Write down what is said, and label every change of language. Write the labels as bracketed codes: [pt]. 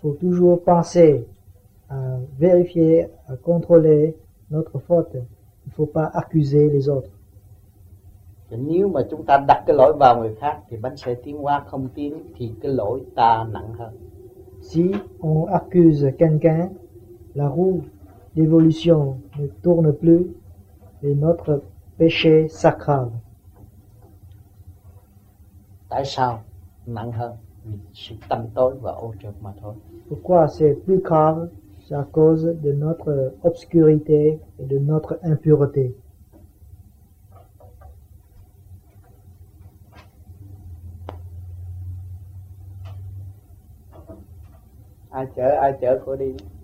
[fr] faut toujours penser à vérifier, à contrôler notre faute. Il ne faut pas accuser les autres. [vi] Nếu mà chúng ta đặt cái lỗi vào người khác thì bánh xe tiến hóa không tiến thì cái lỗi ta nặng hơn. [fr] Si on accuse quelqu'un, la roue d'évolution ne tourne plus et notre péché s'aggrave. [vi] Tại sao nặng hơn? Vì sự tâm tối và ô trược mà thôi. [fr] Pourquoi c'est plus grave? C'est à cause de notre obscurité et de notre impureté. [vi] Ai chở cô đi.